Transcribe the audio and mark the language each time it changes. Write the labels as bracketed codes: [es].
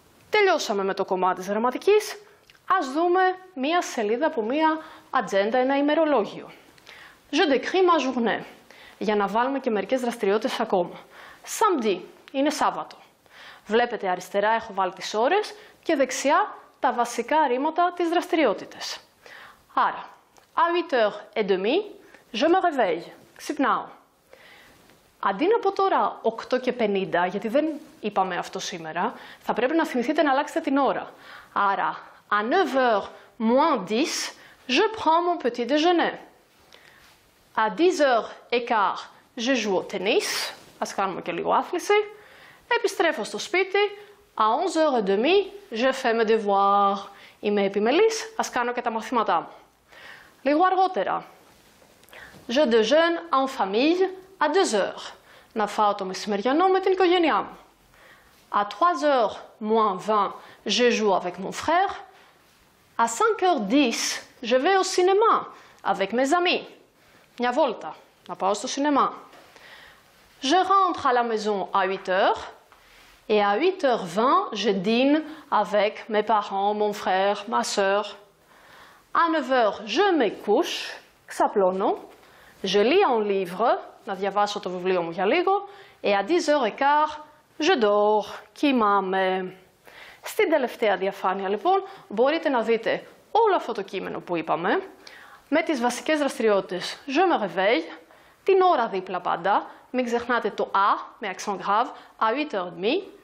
[el] Τελειώσαμε με το κομμάτι της γραμματικής. Ας δούμε μία σελίδα από μία ατζέντα, ένα ημερολόγιο. [fr] Je décris ma journée. [el] Για να βάλουμε και μερικές δραστηριότητες ακόμα. Samedi, είναι Σάββατο. Βλέπετε αριστερά έχω βάλει τις ώρες και δεξιά τα βασικά ρήματα της δραστηριότητας. [fr] Άρα, à 8h30, je me réveille. [el] Ξυπνάω. Αντί να πω τώρα 8 και 50, γιατί δεν είπαμε αυτό σήμερα, θα πρέπει να θυμηθείτε να αλλάξετε την ώρα. [fr] Άρα, à 9h moins 10, je prends mon petit déjeuner. À 10h et quart, je joue au tennis. [el] Ας κάνουμε και λίγο άθληση. Επιστρέφω στο σπίτι. [fr] À 11h et demi, je fais mes devoirs. [el] Είμαι επιμελής, ας κάνω και τα μαθήματά μου. Λίγο αργότερα. [fr] Je déjeune en famille à 2h. [el] Να φάω το μεσημεριανό με την οικογένειά μου. [fr] À 3h moins 20, je joue avec mon frère. À 5h10, je vais au cinéma avec mes amis. [el] Μια βόλτα, να πάω στο σινεμά. [fr] Je rentre à la maison à 8h. Et à 8h20, je dîne avec mes parents, mon frère, ma sœur. À 9h, je me couche, [el] ξαπλώνω. [fr] Je lis un livre, [el] να διαβάσω το βιβλίο μου για λίγο. [fr] Et à 10h15, je dors, [el] κοιμάμαι. Στην τελευταία διαφάνεια, λοιπόν, μπορείτε να δείτε όλο αυτό το κείμενο που είπαμε, με τις βασικές δραστηριότητες [fr] «Je me réveille», [el] την ώρα δίπλα πάντα, μην ξεχνάτε το «à», με accent grave, [fr] «à 8h30»,